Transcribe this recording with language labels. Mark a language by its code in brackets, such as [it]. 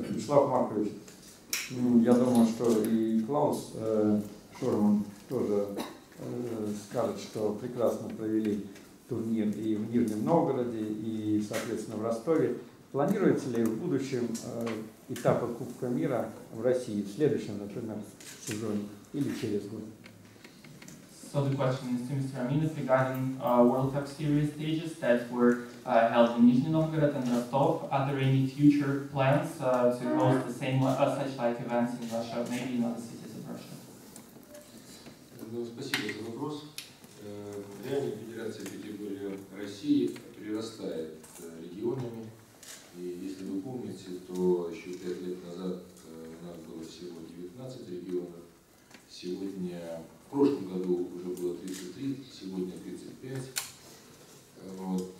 [ru] Вячеслав Маркович, я думаю, что и Клаус Шурман тоже скажет, что прекрасно провели турнир и в Нижнем Новгороде, и, соответственно, в Ростове. Планируется ли в будущем этапы Кубка мира в России, в следующем, например, сезоне или через год? [en] So the question is to Mr. Aminov regarding World Cup Series stages that were held in Nizhny Novgorod and Rostov. Are there any future plans to host the same such like events in Russia, maybe in other cities of Russia? [ru] Ну, спасибо за вопрос. Реально Федерация Пятигорья России прирастает регионами. И если вы помните, то еще 5 лет назад у нас было всего 19 регионов. Сегодня, в прошлом году уже было 33, сегодня 35. Вот.